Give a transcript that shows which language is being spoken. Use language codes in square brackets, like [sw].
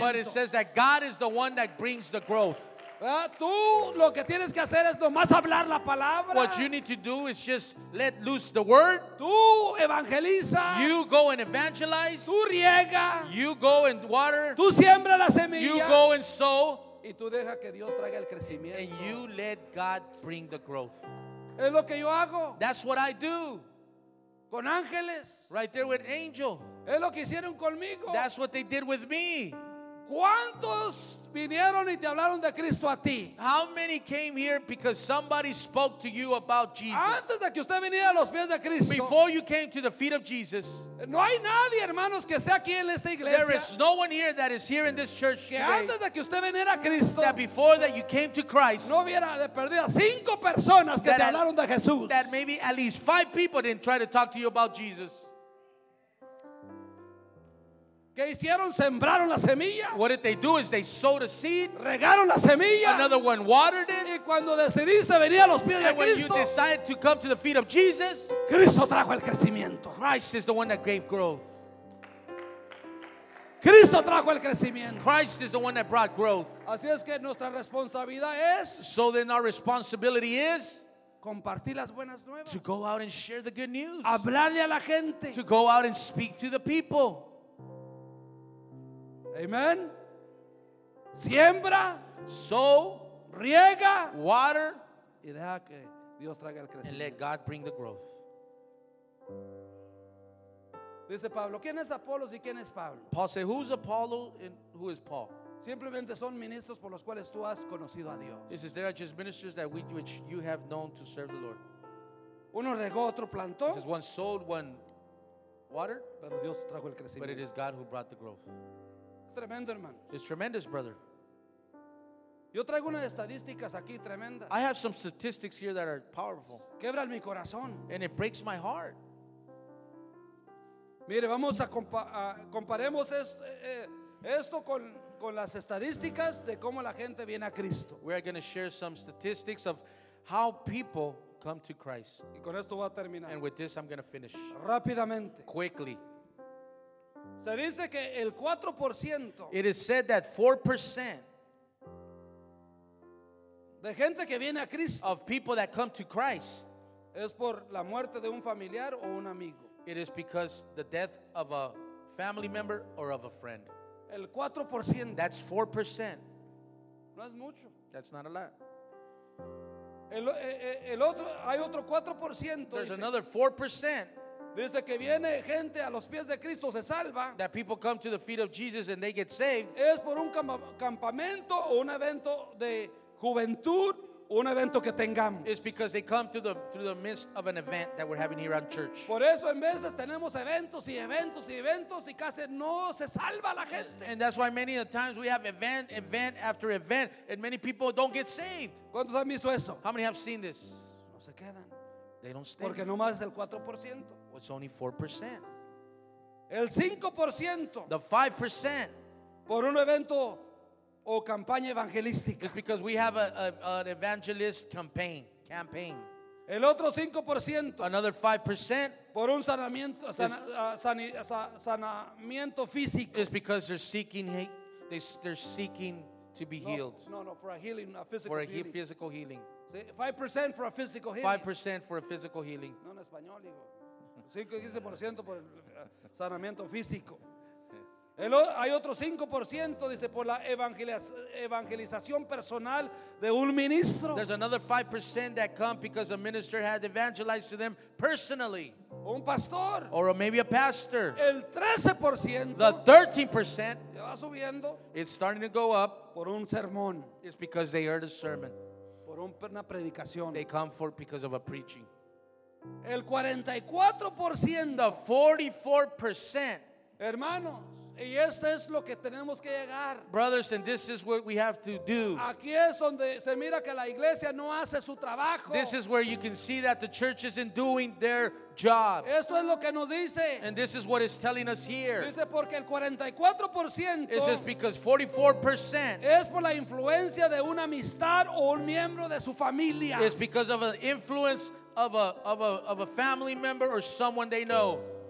[en] But it says that God is the one that brings the growth. [es] Tú lo que tienes que hacer es nomás hablar la palabra. [en] What you need to do is just let loose the word. [es] Tú evangeliza. [en] You go and evangelize. [es] Tú riega. [en] You go and water. [es] Tú siembra la semilla. [en] You go and sow. [es] Y tú deja que Dios traiga el crecimiento. [en] And you let God bring the growth. [es] Es lo que yo hago. [en] That's what I do. [es] Con ángeles. [en] Right there with angel. [es] Es lo que hicieron conmigo. [en] That's what they did with me. [es] ¿Cuántos vinieron y te hablaron de Cristo a ti? [en] How many came here because somebody spoke to you about Jesus? [es] Antes de que usted viniera a los pies de Cristo. [en] Before you came to the feet of Jesus. [es] No hay nadie, hermanos, que esté aquí en esta iglesia. [en] There is no one here that is here in this church [es] que [en] today. [es] Antes de que usted viniera a Cristo. [en] That before that you came to Christ. [es] No hubiera de perdida cinco personas que te hablaron de Jesús. [en] That maybe at least five people didn't try to talk to you about Jesus. [es] ¿Qué hicieron? Sembraron la semilla. [en] What did they do is they sowed a seed. [es] Regaron la semilla. [en] Another one watered it. [es] Y cuando decidiste venir a los pies de Cristo. [en] And when you decided to come to the feet of Jesus. [es] Cristo trajo el crecimiento. [en] Christ is the one that gave growth. [es] Cristo trajo el crecimiento. [en] Christ is the one that brought growth. [es] Así es que nuestra responsabilidad es. [en] So then our responsibility is. [es] Compartir las buenas nuevas. [en] To go out and share the good news. [es] Hablarle a la gente. [en] To go out and speak to the people. [es] Amen. Siembra, [en] sow, [es] riega, [en] water, [es] y deja que Dios traiga el crecimiento. [en] And let God bring the growth. [es] Dice Pablo, ¿quién es Apolos y quién es Pablo? [en] Paul said, who's Apollo and who is Paul? [es] Simplemente son ministros por los cuales tú has conocido a Dios. [en] He says, they are just ministers that which you have known to serve the Lord. [es] Uno regó, otro plantó. [en] He says, one sowed, one watered. [es] Pero Dios trajo el crecimiento. [en] But it is God who brought the growth. [es] Tremendo, hermano. [en] It's tremendous, brother. [es] Yo traigo unas estadísticas aquí tremendas. [en] I have some statistics here that are powerful. [es] Quebra mi corazón. [en] And it breaks my heart. [es] Mire, vamos a comparemos esto con las estadísticas de cómo la gente viene a Cristo. [en] We are going to share some statistics of how people come to Christ. [es] Y con esto voy a terminar. [en] And with this I'm going to finish. [es] Rápidamente. [en] Quickly. [es] Se dice que el 4%. [en] It is said that 4% [es] de gente que viene a Cristo. [en] Of people that come to Christ. [es] Es por la muerte de un familiar o un amigo. [en] It is because the death of a family member or of a friend. [es] El 4%. [en] That's 4%. [es] No es mucho. [en] That's not a lot. [es] El otro, hay otro 4%. [en] There's another 4%. [es] Dice que viene gente a los pies de Cristo, se salva. [en] That people come to the feet of Jesus and they get saved. [es] Es por un campamento o un evento de juventud, un evento que tengamos. [en] It's because they come through the midst of an event that we're having here on church. [es] Por eso en veces tenemos eventos y eventos y eventos y casi no se salva la gente. [en] And that's why many of the times we have event after event and many people don't get saved. [es] ¿Cuántos han visto eso? [en] How many have seen this? [es] No se quedan. [en] They don't stay. [es] Porque no más es el 4%. [en] It's only 4%. [es] El 5%. [en] The 5%. [es] Por un evento o campaña evangelística. [en] It's because we have an evangelist campaign. [es] El otro 5%. [en] Another 5%. [es] Por un sanamiento físico. [en] It's because they're seeking to be healed. No, for a healing, a physical healing. For a physical healing. 5% for a physical healing. 5% for a physical healing. [es] No en español, hijo. 5-15% por el sanamiento físico. Hay otro 5%, dice, por la evangelización personal de un ministro. [en] There's another 5% that come because a minister had evangelized to them personally. [es] Un pastor. [en] Or maybe a pastor. [es] El 13%. [en] The 13%. [es] Va subiendo. [en] It's starting to go up. [es] Por un sermón. [en] It's because they heard a sermon. [es] Por una predicación. [en] They come for because of a preaching. [es] El 44%, [en] the 44%, [es] hermanos, y esto es lo que tenemos que llegar. [en] Brothers, and this is what we have to do. [es] Aquí es donde se mira que la iglesia no hace su trabajo. [en] This is where you can see that the church isn't doing their job. [es] Esto es lo que nos dice. [en] And this is what it's telling us here. [es] Dice porque el 44%. [en] It says because 44%. [es] Es por la influencia de una amistad o un miembro de su familia. [en] It's because of an influence. Of a family member or someone they know.